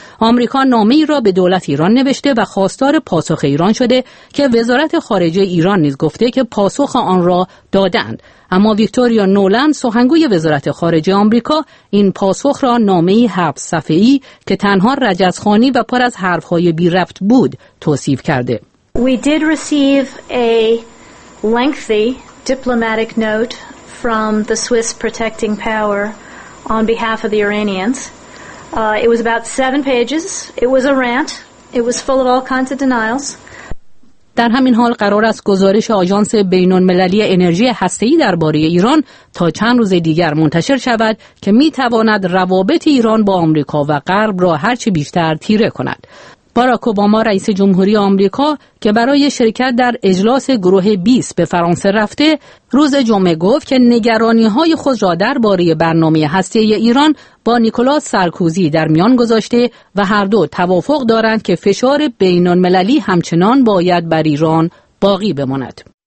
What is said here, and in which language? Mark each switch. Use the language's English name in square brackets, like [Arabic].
[Persian] آمریکا نامه‌ای را به دولت ایران نوشته و خواستار پاسخ ایران شده که وزارت خارجه ایران نیز گفته که پاسخ آن را دادند. اما ویکتوریا نولند سخنگوی وزارت خارجه آمریکا این پاسخ را نامه‌ای 7 صفحه‌ای که تنها رجزخوانی و پر از حرف‌های بی ربط بود توصیف کرده. [English] We did receive a lengthy diplomatic note from the Swiss protecting power on behalf of the Iranians. It was about 7 pages. It was a rant. It was full of all kinds of denials. [Persian] در همین حال قرار است گزارش آژانس بین‌المللی انرژی هسته‌ای درباره ایران تا چند روز دیگر منتشر شود که می‌تواند روابط ایران با آمریکا و غرب را هرچه بیشتر تیره کند. باراک اوباما رئیس جمهوری آمریکا که برای شرکت در اجلاس گروه 20 به فرانسه رفته، روز جمعه گفت که نگرانی‌های خود را درباره برنامه هسته‌ای ایران با نیکولاس سارکوزی در میان گذاشته و هر دو توافق دارند که فشار بین‌المللی همچنان باید بر ایران باقی بماند.